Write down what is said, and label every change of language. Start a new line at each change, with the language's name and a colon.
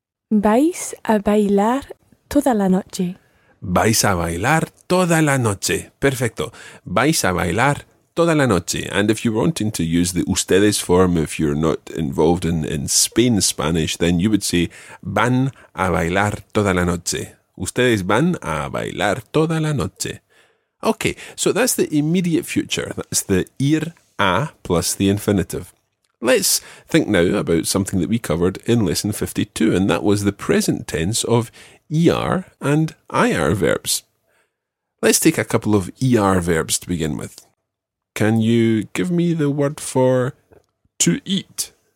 Spanish: Vais a bailar toda la noche. Vais a bailar toda la noche. Perfecto. Vais a bailar toda la noche.
English: And if you're wanting to use the ustedes form, if you're not involved in Spain Spanish, then you would say
Spanish: van a bailar toda la noche. Ustedes van a bailar toda la noche.
English: Okay, so that's the immediate future. That's the ir a plus the infinitive. Let's think now about something that we covered in lesson 52, and that was the present tense of ir and ir verbs. Let's take a couple of ir verbs to begin with. Can you give me the word for to eat?